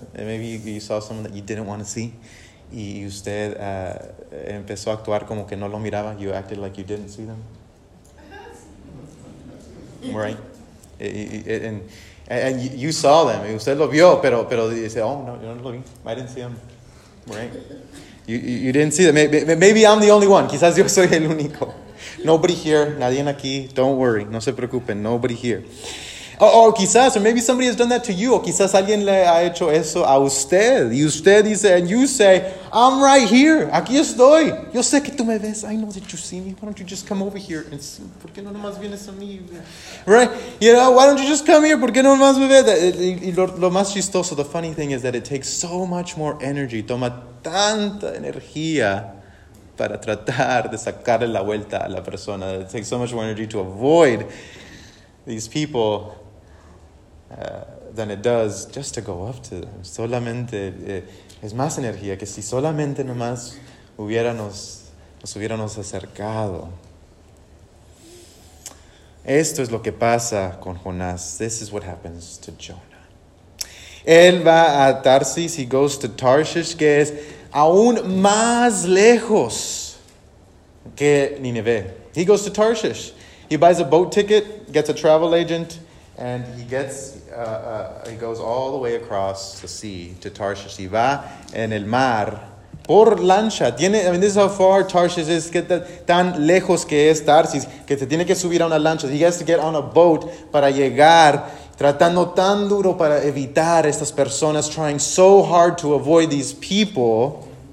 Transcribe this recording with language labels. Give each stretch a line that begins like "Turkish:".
English: Maybe you saw someone that you didn't want to see.
Spanish: Y usted empezó a actuar como que no lo miraba.
English: You acted like you didn't see them. Right? And you saw them.
Spanish: Y usted lo vio, pero dice, oh, no, yo no lo vi.
English: I didn't see them. Right? You didn't see them. Maybe I'm the only one.
Spanish: Quizás yo soy el único.
English: Nobody here,
Spanish: nadie aquí,
English: don't worry,
Spanish: no se preocupen,
English: nobody here. Or quizás, or maybe somebody has done that to you,
Spanish: o quizás alguien le ha hecho eso a usted, y usted dice,
English: and you say, I'm right here,
Spanish: aquí estoy, yo sé que tú me ves,
English: I know that you see me, why don't you just come over here and see,
Spanish: ¿por qué no nomás vienes a mí?
English: Right, you know, why don't you just come here,
Spanish: ¿por qué no nomás me ves? Y lo más chistoso,
English: the funny thing is that it takes so much more energy,
Spanish: toma tanta energía para tratar de sacarle la vuelta a la persona.
English: It takes so much more energy to avoid these people than it does just to go up to them.
Spanish: Solamente, es más energía que si solamente nomás nos hubiéramos acercado. Esto es lo que pasa con Jonás.
English: This is what happens to Jonah.
Spanish: Él va a Tarsis,
English: he goes to Tarshish,
Spanish: que es aún más lejos que Nineveh.
English: He goes to Tarshish. He buys a boat ticket, gets a travel agent, and he goes all the way across the sea to Tarshish.
Spanish: Y va en el mar por lancha.
English: This is how far Tarshish is.
Spanish: Que tan lejos que es Tarsis, que se tiene que subir a una lancha.
English: He has to get on a boat
Spanish: para llegar, tratando tan duro para evitar estas personas,
English: trying so hard to avoid these people.